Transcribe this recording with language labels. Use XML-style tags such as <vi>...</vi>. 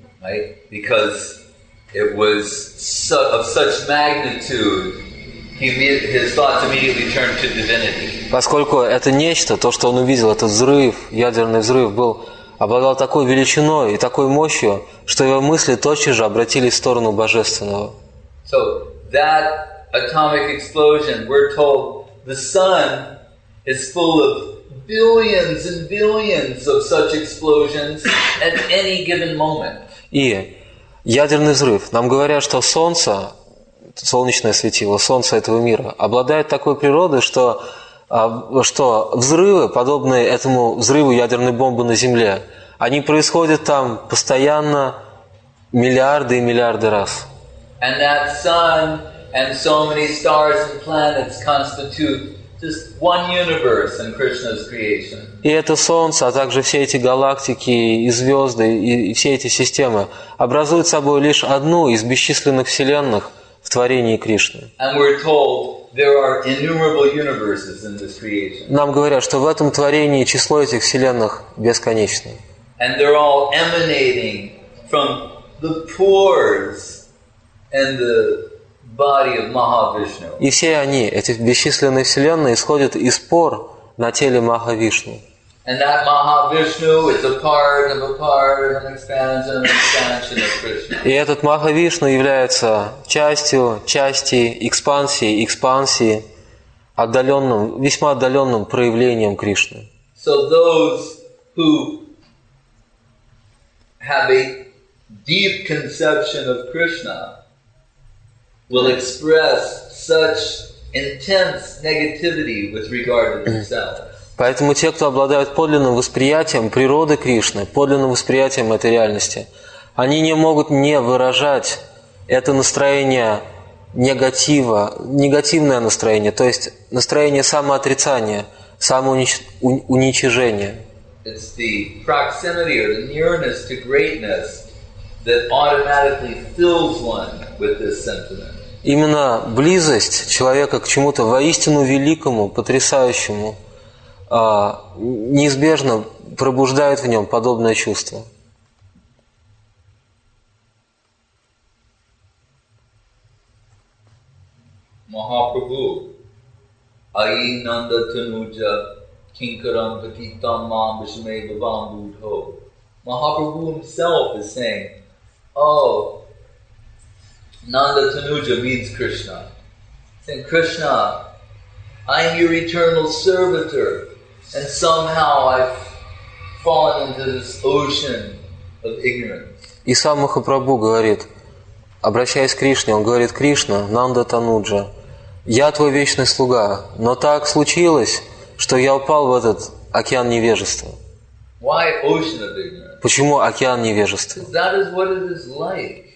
<en>Right? Because it was of such magnitude. His thoughts immediately turned to divinity.</en> <ru>Поскольку это нечто, то, что он увидел, этот взрыв, ядерный взрыв, обладал такой величиной и такой мощью, что его мысли тотчас же обратились в сторону Божественного.</ru> <en>So, that atomic explosion, we're told, the sun is full of billions and billions of such explosions at any given moment.</en> <ru>И ядерный взрыв. Нам говорят, что солнце, солнечное светило, солнце этого мира, обладает такой природой, что взрывы, подобные этому взрыву ядерной бомбы на Земле, они происходят там постоянно миллиарды и миллиарды раз.</ru> <en>And that sun and so many stars and planets constitute just one universe in Krishna's creation.</en> <ru>И это солнце, а также все эти галактики и звезды и все эти системы образуют собой лишь одну из бесчисленных вселенных в творении Кришны.</ru> <en>And we're told there are innumerable universes in this creation.</en> <ru>Нам говорят, что в этом творении число этих вселенных бесконечно.</ru> <en>And they're all emanating from the pores in the body of Mahavishnu.</en> <ru>И все они, эти бесчисленные вселенные, исходят из пор на теле Махавишну.</ru> <en>And that Mahavishnu is a part of an expansion of Krishna.</en> <ru>И этот Махавишну является частью, части экспансии, отдаленным, весьма отдаленным проявлением Кришны.</ru> <en>So those who have a deep conception of Krishna will express such intense negativity with regard to themselves.</en> <ru>Поэтому те, кто обладают подлинным восприятием природы Кришны, подлинным восприятием этой реальности, они не могут не выражать это настроение негатива, негативное настроение, то есть настроение самоотрицания, самоуничижения.</ru> <en>It's the proximity or the nearness to greatness that automatically fills one with this sentiment.</en> <ru>Именно близость человека к чему-то воистину великому, потрясающему, неизбежно пробуждает в нем подобное чувство.</ru> <sa>Mahaprabhu, Ayi Nanda Tanuja, Kinkaram Patitam Mam Vishme Bhavam Budho.</sa> <en>Mahaprabhu himself is saying, oh, Nanda Tanuja means Krishna. Saying, Krishna, I am your eternal servitor, and somehow I've fallen into this ocean of ignorance.</en> <ru>И сам Махапрабху говорит, обращаясь к Кришне, он говорит, Кришна, Нанда Тануджа, я твой вечный слуга, но так случилось, что я упал в этот океан невежества.</ru> <en>Why ocean of ignorance?</en> <ru>Почему океан невежества?</ru> <en>That is what it is like.</en>